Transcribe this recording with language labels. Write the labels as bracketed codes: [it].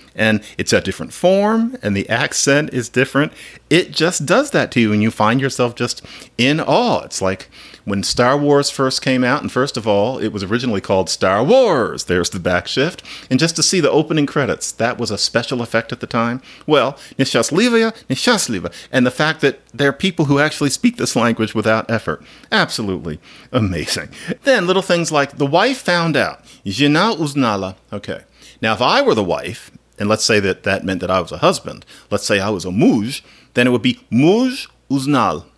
[en] And it's a different form, and the accent is different. It just does that to you, and you find yourself just in awe. It's like when Star Wars first came out, and first of all, it was originally called Star Wars. There's the back shift. And just to see the opening credits, that was a special effect at the time. [ru] Well, несчастливая, несчастлива. [en] And the fact that there are people who actually speak this language without effort. Absolutely amazing. Then little things like the wife found out. [ru] Жена узнала. Okay. [en] Now, if I were the wife, and let's say that that meant that I was a husband. Let's say I was a муж. Then it would be [ru] муж узнал.